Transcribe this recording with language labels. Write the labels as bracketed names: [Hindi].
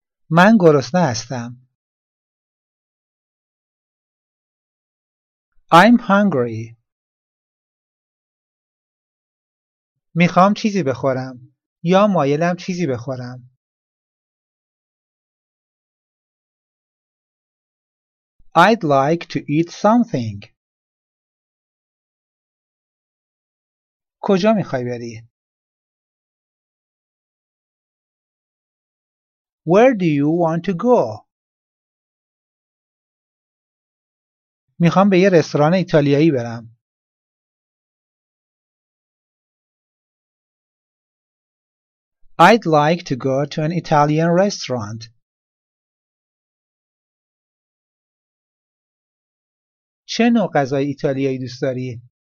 [Persian] من گرسنه هستم. [English] I'm hungry. [Persian] میخوام چیزی بخورم یا مایلم چیزی بخورم. [English] I'd like to eat something. [Persian] کجا میخوای بری؟ [English] Where do you want to go? [Persian] میخوام به یه رستوران ایتالیایی برم. [English] I'd like to go to an Italian restaurant. [Persian] چه نوع غذای ایتالیایی دوست داری؟